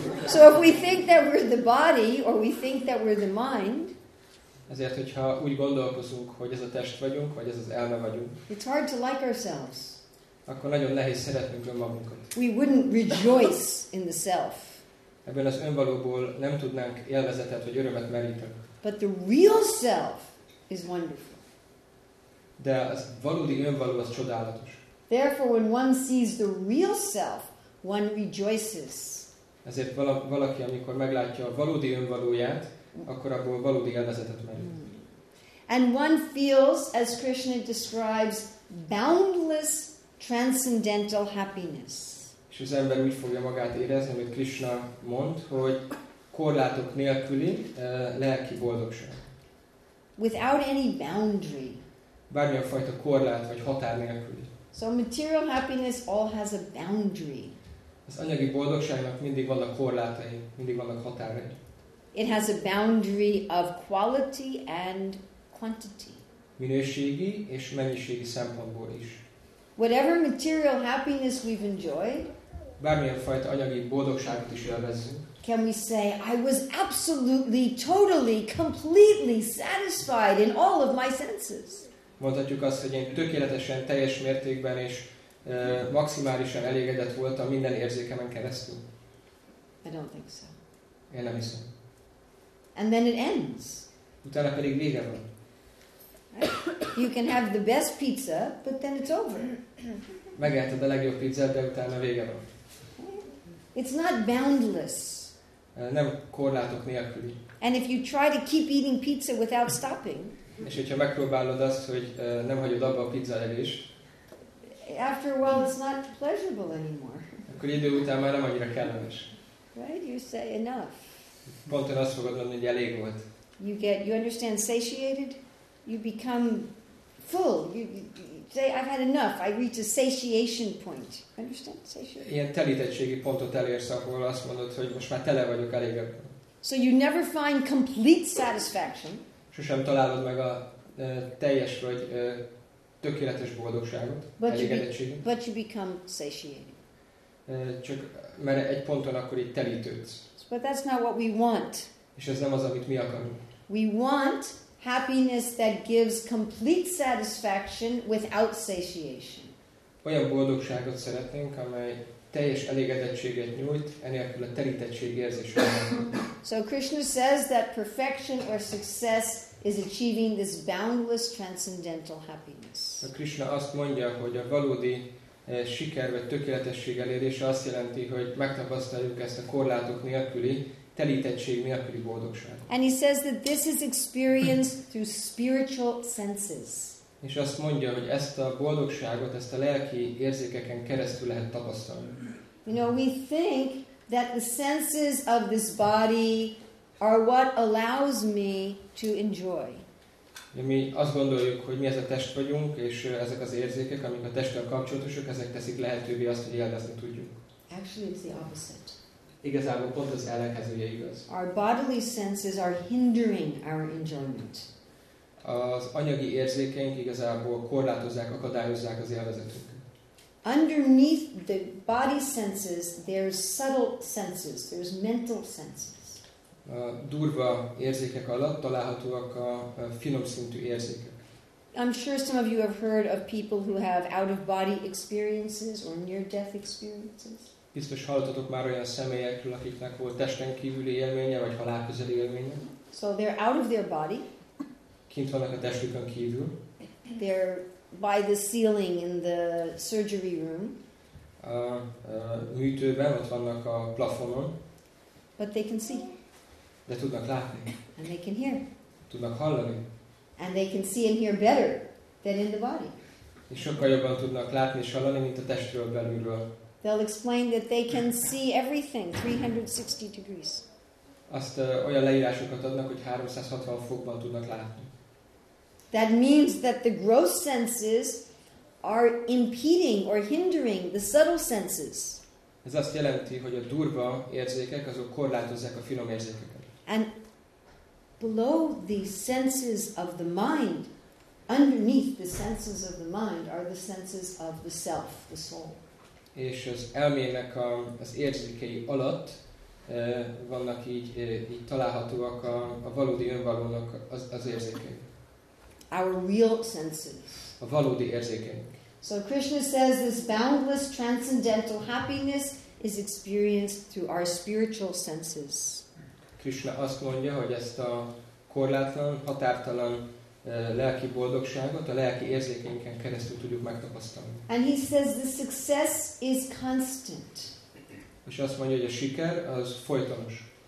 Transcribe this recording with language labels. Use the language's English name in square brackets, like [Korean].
[English] So if we think that we're the body, or we think that we're the mind, [Hungarian] ezért, hogyha úgy gondolkozunk, hogy ez a test vagyunk, vagy ez az elme vagyunk, [English] it's hard to like ourselves. [Hungarian] Akkor nagyon nehéz szeretnünk önmagunkat. [English] We wouldn't rejoice in the self. [Hungarian] Ebben az önvalóból nem tudnánk élvezetet vagy örömet meríteni. [English] But the real self is wonderful. [Hungarian] De az valódi önvaló az csodálatos. [English] Therefore, when one sees the real self, one rejoices. [Hungarian] Ezért valaki, amikor meglátja a valódi önvalóját, akkor abból valódi élvezetet merít. [English] And one feels, as Krishna describes, boundless transcendental happiness. [Hungarian] És az ember úgy fogja magát érezni, amit Krishna mond, hogy korlátok nélküli lelki boldogság. [English] Without any boundary. [Hungarian] Bármilyen fajta korlát vagy határ nélküli. [English] So material happiness all has a boundary. [Hungarian] Az anyagi boldogságnak mindig vannak korlátai, mindig vannak határai. [English] It has a boundary of quality and quantity. [Hungarian] Minőségi és mennyiségi szempontból is. [English] Whatever material happiness we've enjoyed, [Hungarian] bármilyen fajta anyagi boldogságot is élvezzünk, [English] can we say, I was absolutely, totally, completely satisfied in all of my senses? [Hungarian] Mondhatjuk azt, hogy én tökéletesen, teljes mértékben és maximálisan elégedett voltam minden érzékemen keresztül. [English] I don't think so. [Hungarian] Én nem hiszem. [English] And then it ends. [Hungarian] Utána pedig vége van. [English] You can have the best pizza, but then it's over. [Hungarian] Megetted a legjobb pizzát, de utána vége van. [English] It's not boundless. [Hungarian] Nem korlátok nélküli. [English] And if you try to keep eating pizza without stopping, [Hungarian] és hogyha megpróbálod azt, hogy nem hagyod abba a pizza evést, [English] after a while it's not pleasurable anymore. [Hungarian] Akkor idő után már nem annyira kellemes. [English] Right? You say enough. [Hungarian] Ponton azt fogod mondani, hogy elég volt. [English] You understand satiated? You become full. You say, I've had enough. I reach a satiation point. Understand? Satiation. [Hungarian] Ilyen telítettségi pontot elérsz, ahol azt mondod, hogy most már tele vagyok, elég ebben. [English] So you never find complete satisfaction. [Hungarian] Sosem találod meg a teljes vagy tökéletes boldogságot, elégedettséget. [English] But you become satiated. [Hungarian] Csak mert egy ponton akkor itt telítődsz. [English] But that's not what we want. [Hungarian] És ez nem az, amit mi akarunk. [English] We want happiness that gives complete satisfaction without satiation. [Hungarian] Olyan boldogságot szeretnénk, amely teljes elégedettséget nyújt, enélkül a telítettség érzésre. [English] So Krishna says that perfection or success is achieving this boundless transcendental happiness. [Hungarian] A Krishna azt mondja, hogy a valódi siker vagy tökéletesség elérése azt jelenti, hogy megtapasztaljuk ezt a korlátok nélküli, telítettség nélküli boldogságot. [English] And he says that this is experienced through spiritual senses. [Hungarian] És azt mondja, hogy ezt a boldogságot, ezt a lelki érzékeken keresztül lehet tapasztalni. [English] You know, we think that the senses of this body are what allows me to enjoy. [Hungarian] Mi azt gondoljuk, hogy mi ez a test vagyunk, és ezek az érzékek, amik a testtel kapcsolatosak, ezek teszik lehetővé azt, hogy élvezni tudjuk. [English] Actually, it's the opposite. [Hungarian] Igazából pont az ellenkezője igaz. [English] Our bodily senses are hindering our enjoyment. [Hungarian] Az anyagi érzékeink igazából korlátozzák, akadályozzák az élvezetünket. [English] Underneath the body senses, there's subtle senses, there's mental senses. [Hungarian] A durva érzékek alatt találhatóak a finom szintű érzékek. [English] I'm sure some of you have heard of people who have out-of-body experiences or near-death experiences. [Hungarian] Biztos hallottatok már olyan személyekről, akiknek volt testen kívüli élménye, vagy halálközeli élménye. [English] So they're out of their body. [Hungarian] Kint vannak a testükön kívül. [English] They're by the ceiling in the surgery room. [Hungarian] A műtőben, ott vannak a plafonon. [English] But they can see. [Hungarian] De tudnak látni. [English] And they can hear. [Hungarian] Tudnak hallani. [English] And they can see and hear better than in the body. [Hungarian] És sokkal jobban tudnak látni és hallani, mint a testről belülről. [English] They'll explain that they can see everything 360 degrees. [Hungarian] Azt olyan leírásokat adnak, hogy 360 fokban tudnak látni. [English] That means that the gross senses are impeding or hindering the subtle senses. [Hungarian] Ez azt jelenti, hogy a durva érzékek azok korlátozzák a finom érzékeket. [English] And below the senses of the mind, underneath the senses of the mind are the senses of the self, the soul. [Hungarian] És az elmének az érzékei alatt vannak így találhatóak a valódi önvalónak az érzékei. [English] Our real senses. [Hungarian] A valódi érzékei. [English] So Krishna says this boundless transcendental happiness is experienced through our spiritual senses. [Hungarian] Krishna azt mondja, hogy ezt a korlátlan, határtalan lelki boldogságot a lelki érzékeinken keresztül tudjuk megtapasztalni. [English] And he says the success is constant. [Hungarian] És azt mondja, hogy a siker az folytonos.